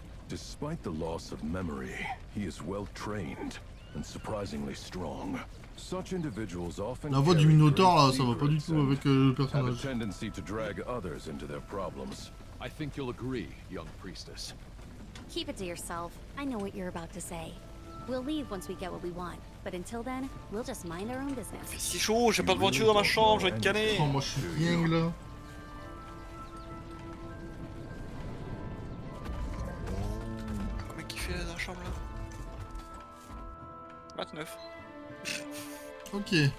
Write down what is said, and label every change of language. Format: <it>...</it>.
<en>Despite the loss of memory, he is well trained and surprisingly strong. Such individuals often.</en> <fr>La voix du Minotaur là, ça va pas du tout avec le personnage.</fr> <en>Have a tendency to drag others into their problems. I think you'll agree, young priestess. Keep it to yourself. I know what you're about to say. We'll leave once we get what we want. But until then, we'll just mind our own business.</en> <fr>C'est chaud, j'ai pas de voiture dans ma chambre, je vais te canner. Oh, moi je suis rien là. Comment il fait dans la chambre là? 29. Ok.</fr>